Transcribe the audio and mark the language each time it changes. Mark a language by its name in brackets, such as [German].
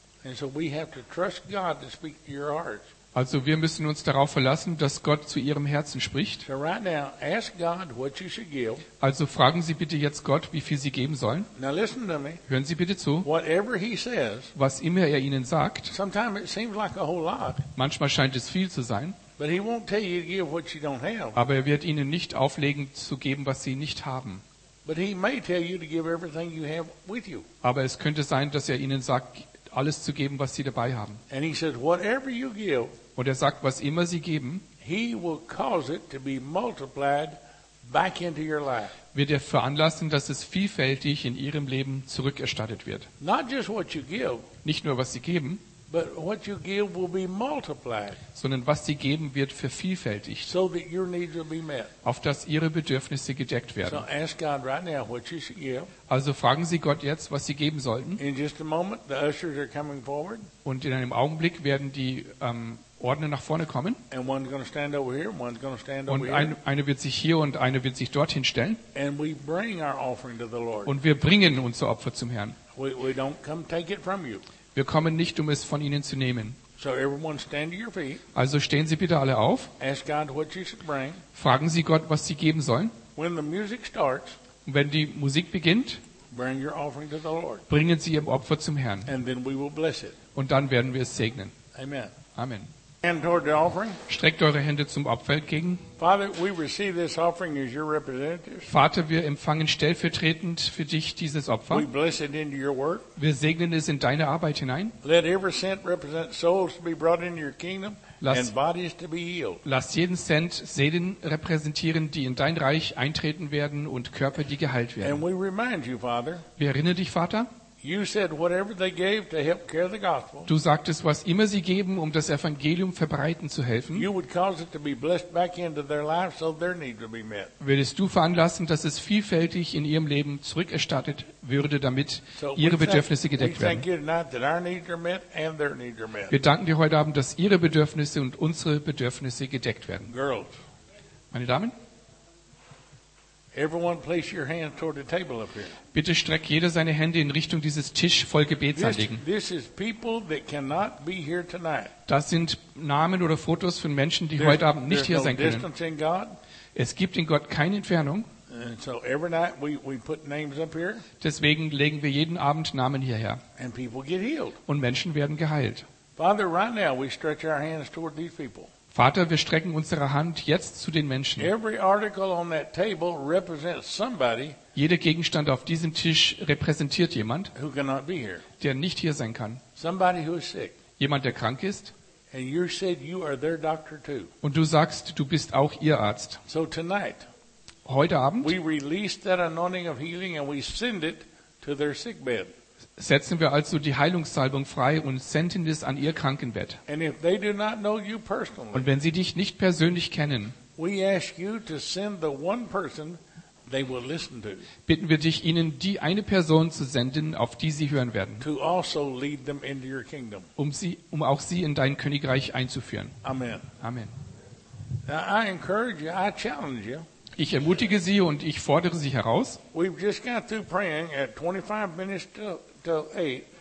[English] And so we have to trust God to speak to your heart. [German] Also wir müssen uns darauf verlassen, dass Gott zu Ihrem Herzen spricht. [English] So right now, ask God what you should give. [German] Also fragen Sie bitte jetzt Gott, wie viel Sie geben sollen. [English] Now listen to me. [German] Hören Sie bitte zu. [English] Whatever he says, [German] was immer er Ihnen sagt, [English] sometimes it seems like a whole lot. [German] Manchmal scheint es viel zu sein. [English] But he won't tell you to give what you don't have. [German] Aber er wird Ihnen nicht auflegen, zu geben, was Sie nicht haben. [English] But he may tell you to give everything you have with you. [German] Aber es könnte sein, dass er Ihnen sagt, alles zu geben, was Sie dabei haben. [English] And he says, whatever you give, [German] und er sagt, was immer Sie geben, [English] he will cause it to be multiplied back into your life. [German] Wird er veranlassen, dass es vielfältig in Ihrem Leben zurückerstattet wird. [English] Not just what you give, [German] nicht nur, was Sie geben, [English] but what you give will be multiplied, [German] sondern was Sie geben, wird vervielfältigt, [English] so that your needs will be met. [German] Auf dass Ihre Bedürfnisse gedeckt werden. [English] So ask God right now what you should give. [German] Also fragen Sie Gott jetzt, was Sie geben sollten. [English] In just a moment, the ushers are coming forward. [German] Und in einem Augenblick werden die Ordner nach vorne kommen. [English] And one's gonna stand over here, one's gonna stand [German] und [English] over here. [German] Eine wird sich hier und eine wird sich dorthin stellen. [English] And we bring our offering to the Lord. [German] Und wir bringen unser Opfer zum Herrn. [English] We don't come take it from you. [German] Wir kommen nicht, um es von Ihnen zu nehmen. [English] So everyone stand to your feet. [German] Also stehen Sie bitte alle auf. [English] Ask God what you should bring. [German] Fragen Sie Gott, was Sie geben sollen. [English] When the music starts, [German] wenn die Musik beginnt, [English] bring your offering to the Lord. [German] Bringen Sie Ihr Opfer zum Herrn. [English] And then we will bless it. [German] Und dann werden wir es segnen. [English] Amen. [German] Amen. [English] Hand toward the offering. [German] Streckt eure Hände zum Opfer entgegen. [English] Father, we receive this offering as your representatives. [German] Vater, wir empfangen stellvertretend für dich dieses Opfer. [English] We bless it into your work. [German] Wir segnen es in deine Arbeit hinein. [English] Let every cent represent souls to be brought into your kingdom and bodies to be healed. [German] Lass jeden Cent Seelen repräsentieren, die in dein Reich eintreten werden und Körper, die geheilt werden. [English] And we remind you, Father. [German] Wir erinnern dich, Vater. [English] You said whatever they gave to help carry the gospel. [German] Du sagtest, was immer sie geben, um das Evangelium verbreiten zu helfen. [English] You would cause it to be blessed back into their life, so their needs would be met. [German] Würdest du veranlassen, dass es vielfältig in ihrem Leben zurückerstattet würde, damit ihre Bedürfnisse gedeckt werden. [English] We thank you tonight that our needs are met and their needs are met. [German] Wir danken dir heute Abend, dass ihre Bedürfnisse und unsere Bedürfnisse gedeckt werden. [English] Girls. [German] Meine Damen. [English] Everyone place your hands toward the table up here. [German] Bitte streckt jeder seine Hände in Richtung dieses Tisch voll Gebetsanliegen. [English] This is people that cannot be here tonight. [German] Das sind Namen oder Fotos von Menschen, die heute Abend nicht hier sein können. Es gibt in Gott keine Entfernung. [English] And so every night we put names up here. [German] Deswegen legen wir jeden Abend Namen hierher. [English] And people get healed. [German] Und Menschen werden geheilt. [English] Father, right now we stretch our hands toward these people. [German] Vater, wir strecken unsere Hand jetzt zu den Menschen. [English] Every article on that table represents somebody. [German] Jeder Gegenstand auf diesem Tisch repräsentiert jemand, [English] who cannot be here. [German] Der nicht hier sein kann. [English] Somebody who is sick. [German] Jemand, der krank ist. [English] And you said you are their doctor too. [German] Und du sagst, du bist auch ihr Arzt. [English] So tonight, [German] heute Abend, [English] we release that anointing of healing and we send it to their sick bed. [German] Setzen wir also die Heilungssalbung frei und senden es an ihr Krankenbett. [English] And if they do not know you personally, [German] und wenn sie dich nicht persönlich kennen, [English] we ask you to send the one person they will listen to. [German] Bitten wir dich, ihnen die eine Person zu senden, auf die sie hören werden, [English] to also lead them into your kingdom. [German] Um auch sie in dein Königreich einzuführen. [English] Amen. [German] Amen. [English] Now I encourage you, I challenge you. [German] Ich ermutige sie und ich fordere sie heraus. [English] We've just got through praying at 25 minutes till 8.